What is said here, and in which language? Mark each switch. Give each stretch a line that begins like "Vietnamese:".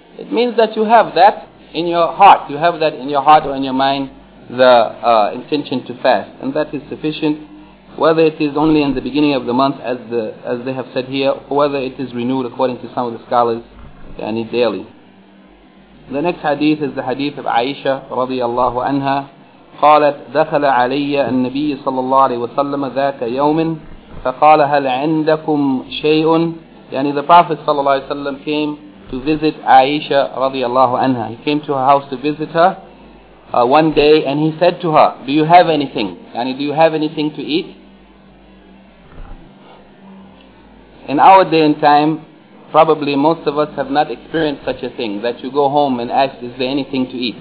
English: It means that you have that in your heart. You have that in your heart or in your mind, the intention to fast. And that is sufficient, whether it is only in the beginning of the month, as they have said here, or whether it is renewed according to some of the scholars, yani daily. The next hadith is the hadith of Aisha radiallahu anha.
Arabic: قالت دخل علي النبي صلى الله عليه وسلم ذاك يوم فقال هل عندكم شيء, يعني the Prophet صلى الله عليه وسلم
English: came to visit Aisha radiallahu anha. He came to her house to visit her one day, and he said to her, do you have anything? Yani, do you have anything to eat? In our day and time, probably most of us have not experienced such a thing, that you go home and ask, is there anything to eat?